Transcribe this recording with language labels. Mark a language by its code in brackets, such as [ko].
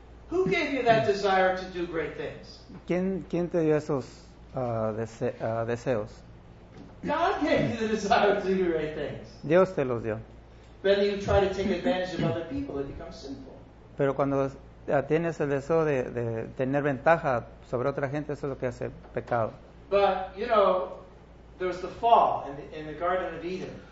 [en] Who gave you that desire to do great things? [es] ¿Quién te dio esos deseos? [en] God gave you the desire to do great things. [es] Dios te los dio. [en] But then you try to take advantage of other people, it becomes sinful. [es] Pero cuando tienes el deseo de tener ventaja sobre otra gente, eso es lo que hace pecado. [en] But, you know, there's the fall in the Garden of Eden.